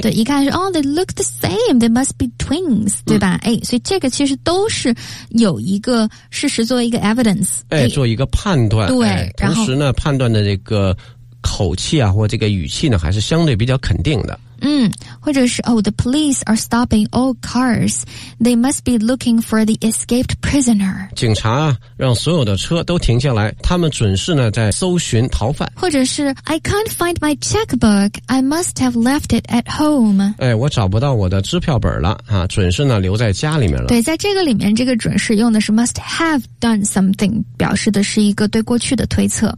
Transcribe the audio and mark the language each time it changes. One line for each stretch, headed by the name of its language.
Chinese: 对，一看是
English: they look the same. They must be twins.
Chinese: 对吧？所以这个其实都是有一个事实作为一个 evidence。做一个判断。对，同时呢，判断的这个口气啊，或这个语气呢，还是相对比较肯定的。
English: 或者是the police are stopping all cars. They must be looking for the escaped prisoner.
Chinese: 警察让所有的车都停下来，他们准是呢在搜寻逃犯。或者是
English: I can't find my checkbook. I must have left it at home.
Chinese: 我找不到我的支票本了啊，准是呢留在家里面了。对，在这个里面，这个准是用的是 must have done something， 表示的是一个对过去的推测。